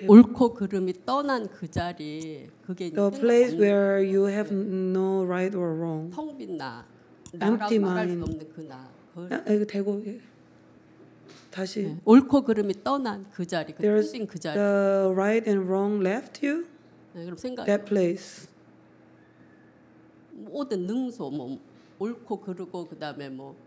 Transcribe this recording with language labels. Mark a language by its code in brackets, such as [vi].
[ko] 옳고 그름이 떠난 그 자리 그게 [en] The place where you have no right or wrong. [ko] 텅 빈 나. 나라고 말할 수 없는 그 나. 이거 대고 다시 네. 옳고 그름이 떠난 그 자리, 그 뜻인 그 자리. [en] The right and wrong left you. [ko] 네, 그럼 생각. [en] That place. [ko] 모든 능소, 뭐 옳고 그르고 그다음에 뭐.